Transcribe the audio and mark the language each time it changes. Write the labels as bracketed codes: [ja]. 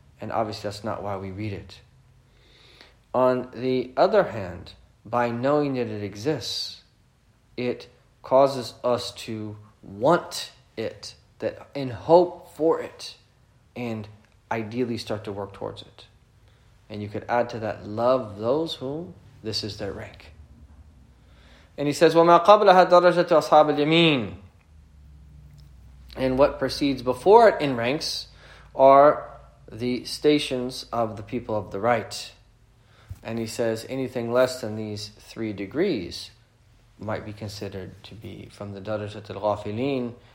[en] And obviously that's not why we read it. On the other hand, by knowing that it exists, it causes us to want it, that in hope for it, and ideally start to work towards it. And you could add to that, love those whom this is their rank. And he says, [ar] وَمَا قَبْلَهَا دَرَجَةُ أَصْحَابِ الْيَمِينِ. [en] And what precedes before it in ranks are the stations of the people of the right. And he says, anything less than these 3 degrees might be considered to be from the [ar] دَرَجَةُ الْغَافِلِينَ.